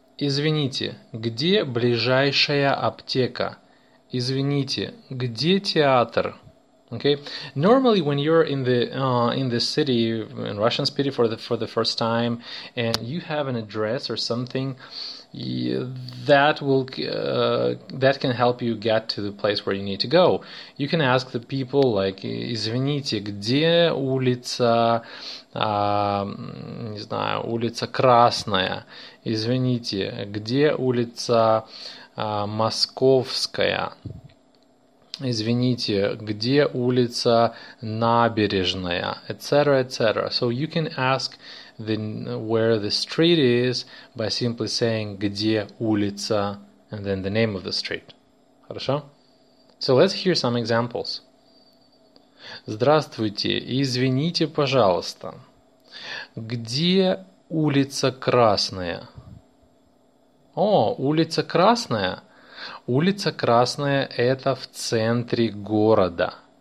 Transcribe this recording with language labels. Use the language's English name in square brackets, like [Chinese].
[Russian] Извините, где ближайшая аптека? Извините, где театр? Okay. [English] Normally, when you're in the city, in Russian city for the first time, and you have an address or something, that can help you get to the place where you need to go. You can ask the people like, [Russian] извините, где улица, не знаю, улица Красная. Извините, где улица Московская. Извините, где улица Набережная, [English] etc., etc. So you can ask where the street is by simply saying [Russian] где улица [English] and then the name of the street. [Russian] Хорошо? [English] So let's hear some examples. [Russian] Здравствуйте, извините, пожалуйста. Где улица Красная? О, улица Красная. Улица Красная – это в центре города.